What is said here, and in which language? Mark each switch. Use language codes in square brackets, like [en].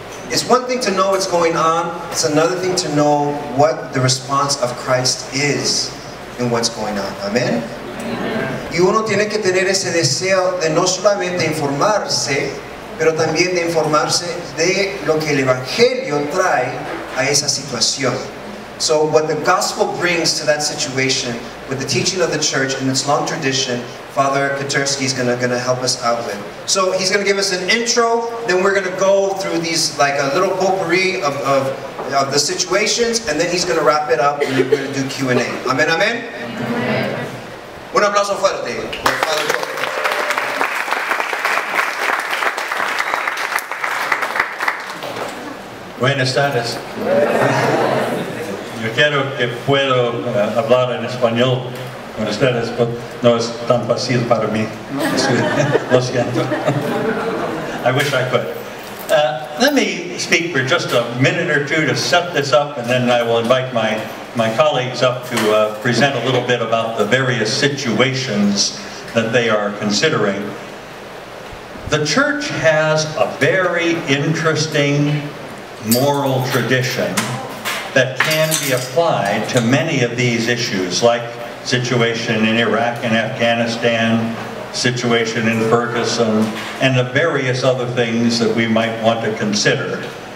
[en] It's one thing to know what's going on. It's another thing to know what the response of Christ is in what's going on. Amen? [es] Y uno tiene que tener ese deseo de no solamente informarse, pero también de informarse de lo que el Evangelio trae a esa situación. [en] So what the gospel brings to that situation with the teaching of the church and its long tradition, Father Kantursky is going to help us out with. So he's going to give us an intro, then we're going to go through these, like a little potpourri of the situations, and then he's going to wrap it up and we're going to do Q&A. Amen, amen? Amen. [es] Un aplauso fuerte. Buenas tardes. Yo quiero que puedo hablar en español con ustedes, pero no es tan fácil para mí. Lo siento. [en] I wish I could. Let me speak for just a minute or two to set this up, and then I will invite my colleagues up to present a little bit about the various situations that they are considering. The church has a very interesting moral tradition that can be applied to many of these issues, like situation in Iraq and Afghanistan, situation in Ferguson, and the various other things that we might want to consider.